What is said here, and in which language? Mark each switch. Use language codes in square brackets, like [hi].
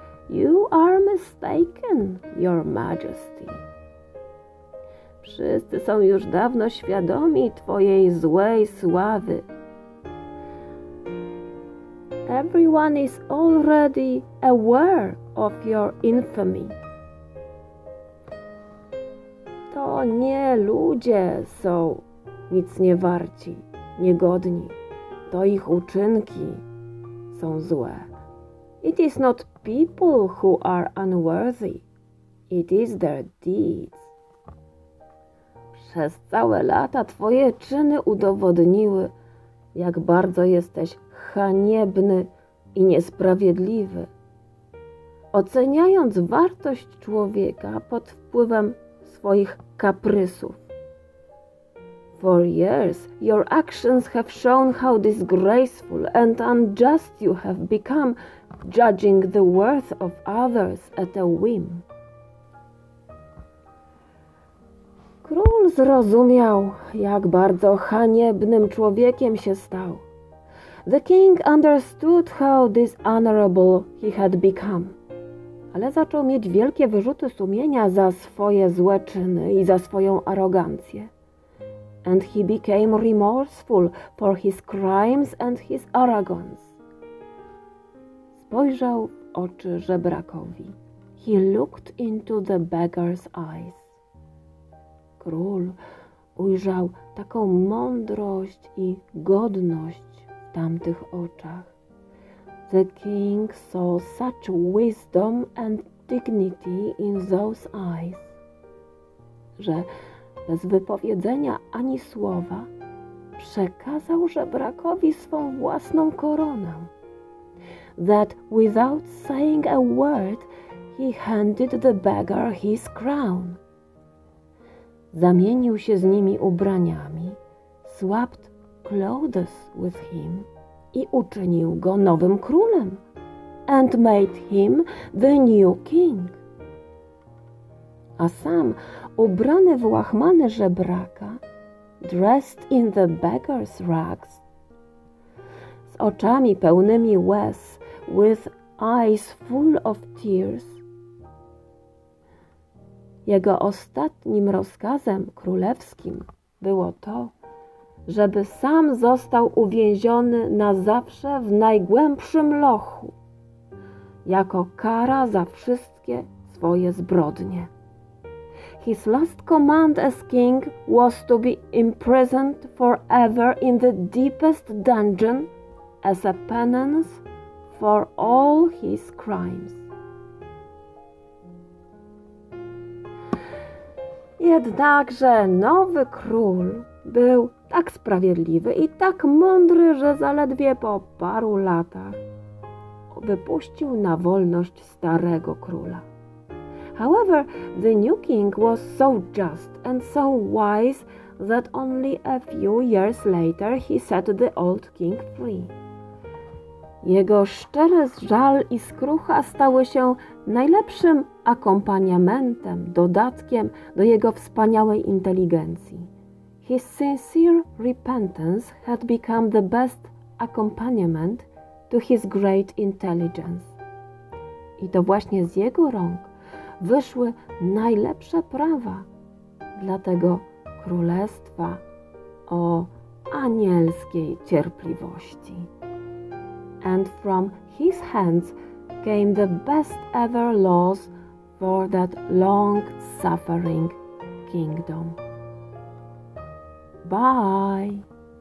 [en] You are mistaken, your majesty. [pl] Wszyscy są już dawno świadomi twojej złej sławy. [en] Everyone is already aware of your infamy. [pl] To nie ludzie są nic nie warci, niegodni. To ich uczynki są złe. [en] It is not people who are unworthy. It is their deeds. [pl] Przez całe lata twoje czyny udowodniły, jak bardzo jesteś haniebny i niesprawiedliwy. Oceniając wartość człowieka pod wpływem swoich kaprysów. [en] For years, your actions have shown how disgraceful and unjust you have become, judging the worth of others at a whim. [pl] Król zrozumiał, jak bardzo haniebnym człowiekiem się stał. [en] The king understood how dishonorable he had become. [pl] Ale zaczął mieć wielkie wyrzuty sumienia za swoje złe czyny i za swoją arogancję. [en] And he became remorseful for his crimes and his arrogance. [pl] Spojrzał w oczy żebrakowi. [en] He looked into the beggar's eyes. [pl] Król ujrzał taką mądrość i godność w tamtych oczach. [en] The king saw such wisdom and dignity in those eyes, [pl] że bez wypowiedzenia ani słowa przekazał żebrakowi swą własną koronę. [en] That without saying a word, he handed the beggar his crown. [pl] Zamienił się z nimi ubraniami, [en] swapped clothes with him [pl] i uczynił go nowym królem. [en] And made him the new king. [pl] A sam, ubrany w łachmany żebraka, [en] dressed in the beggar's rags, [pl] z oczami pełnymi łez, [en] with eyes full of tears, [pl] jego ostatnim rozkazem królewskim było to, żeby sam został uwięziony na zawsze w najgłębszym lochu, jako kara za wszystkie swoje zbrodnie. [en] His last command as king was to be imprisoned forever in the deepest dungeon as a penance for all his crimes. [pl] Jednakże nowy król był tak sprawiedliwy i tak mądry, że zaledwie po paru latach wypuścił na wolność starego króla. [en] However, the new king was so just and so wise that only a few years later he set the old king free. [pl] Jego szczery żal i skrucha stały się najlepszym akompaniamentem, dodatkiem do jego wspaniałej inteligencji. [en] His sincere repentance had become the best accompaniment to his great intelligence. [pl] I to właśnie z jego rąk wyszły najlepsze prawa dla tego królestwa o anielskiej cierpliwości. [en] And from his hands came the best ever laws for that long-suffering kingdom. Bye!